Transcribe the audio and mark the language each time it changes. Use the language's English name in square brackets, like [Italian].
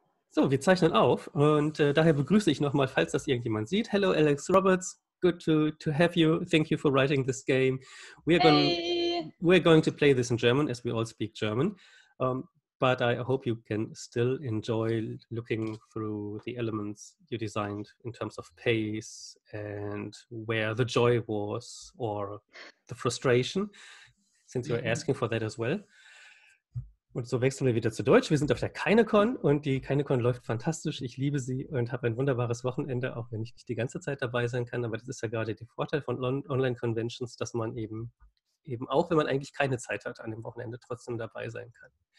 [German] So, wir zeichnen auf und daher begrüße ich nochmal, falls das irgendjemand sieht. [English] Hello, Alex Roberts. Good to have you. Thank you for writing this game. We're going to play this in German, as we all speak German. But I hope you can still enjoy looking through the elements you designed in terms of pace and where the joy was or the frustration, since you're asking for that as well. [German] Und so wechseln wir wieder zu Deutsch. Wir sind auf der KineCon und die KineCon läuft fantastisch. Ich liebe sie und habe ein wunderbares Wochenende, auch wenn ich nicht die ganze Zeit dabei sein kann. Aber das ist ja gerade der Vorteil von Online-Conventions, dass man eben auch, wenn man eigentlich keine Zeit hat, an dem Wochenende trotzdem dabei sein kann.